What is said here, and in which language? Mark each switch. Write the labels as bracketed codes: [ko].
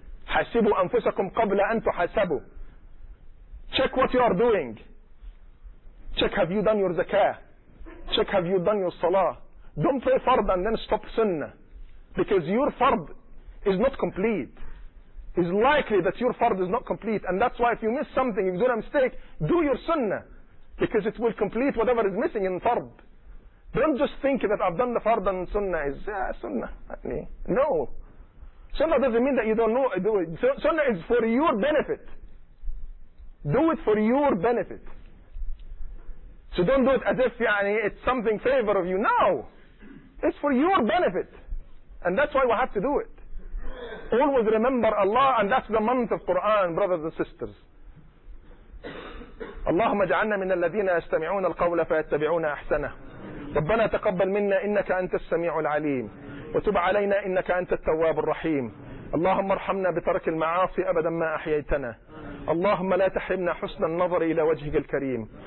[ar] حسبوا أنفسكم قبل أن تحسبوا. [en] Check what you are doing. Check have you done your zakah. Check have you done your salah. Don't pray fard and then stop sunnah. Because your fard is not complete. It's likely that your fard is not complete. And that's why if you miss something, if you do a mistake, do your sunnah. Because it will complete whatever is missing in fard. Don't just think that I've done the fard and sunnah is sunnah. No. Sunnah doesn't mean that you don't know. Do it. Sunnah is for your benefit. Do it for your benefit. So don't do it as if [ar] يعني, [en] it's something favor of you. No. It's for your benefit. And that's why we have to do it. Always remember Allah, and that's the month of Quran, brothers and sisters. [ar] اللهم اجعلنا من الذين يستمعون القول فيتبعون أحسنه. ربنا تقبل منا إنك أنت السميع العليم. وتب علينا إنك أنت التواب الرحيم. اللهم ارحمنا بترك المعاصي أبدا ما أحييتنا. اللهم لا تحرمنا حسن النظر إلى وجهك الكريم.